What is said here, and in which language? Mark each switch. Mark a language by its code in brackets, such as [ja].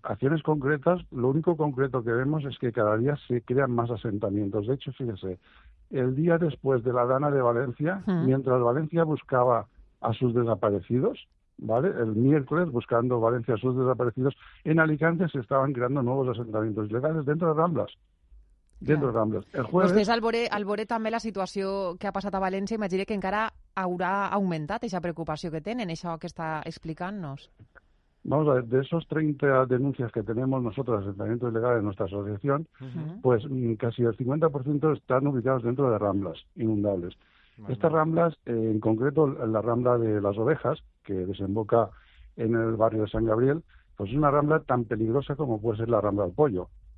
[es] Acciones concretas, lo único concreto que vemos es que cada día se crean más asentamientos. De hecho, fíjese, el día después de la dana de Valencia, mientras Valencia buscaba a sus desaparecidos, ¿vale?, el miércoles buscando Valencia a sus desaparecidos, en Alicante se estaban creando nuevos asentamientos ilegales dentro de Ramblas. El jueves... [ca] Vostès alvore també la situació que ha passat a València, imagina que encara haurà augmentat aquesta preocupació que tenen, això que està explicant-nos. [es] Vamos a ver, de esos 30 denuncias que tenemos nosotros, asentamientos ilegales en nuestra asociación, pues casi el 50% están ubicados dentro de ramblas inundables. Bueno. Estas ramblas, en concreto la rambla de las Ovejas, que desemboca en el barrio de San Gabriel, pues es una rambla tan peligrosa como puede ser la rambla del Pollo.